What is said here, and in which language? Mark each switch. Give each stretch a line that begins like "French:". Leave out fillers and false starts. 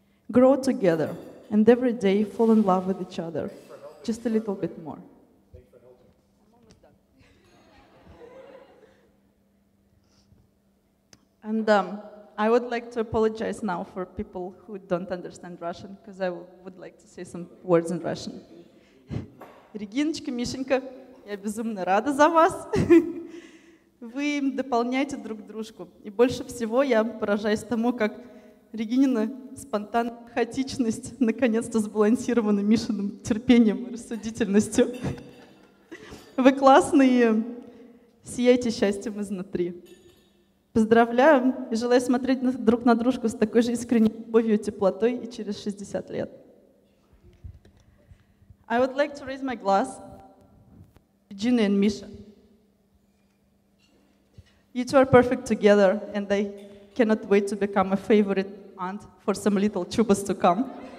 English: Grow together, and every day fall in love with each other, just a little bit more. And I would like to apologize now for people who don't understand Russian, because I would like to say some words in Russian.
Russian: Региночка, Мишенька, я безумно рада за вас. Вы дополняете друг дружку. И больше всего я поражаюсь тому, как Регинина спонтанная хаотичность наконец-то сбалансирована Мишиным терпением и рассудительностью. Вы классные, сияете счастьем изнутри. Поздравляю и желаю смотреть друг на дружку с такой же искренней любовью и теплотой и через 60 лет.
English: I would like to raise my glass, Regina and Misha. You two are perfect together, and I cannot wait to become a favorite aunt for some little chubas to come.